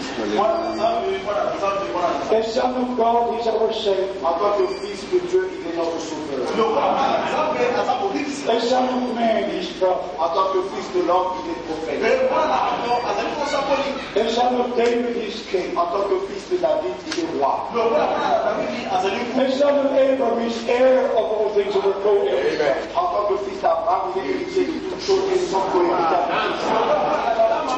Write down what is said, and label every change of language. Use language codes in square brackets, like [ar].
[en] The Son of God is our Savior. [fr] En tant que fils de Dieu, il est notre sauveur. [en] The Son of Man is prophet. [fr] En tant que fils de l'homme, il est prophète. [en] The Son of David is king. [fr] En tant que fils de David, il est roi. [en] The Son of Abraham is heir of all things that were co-heirs. [fr] En tant que fils d'Abraham, il est héritier de toutes choses qui sont co-héritables.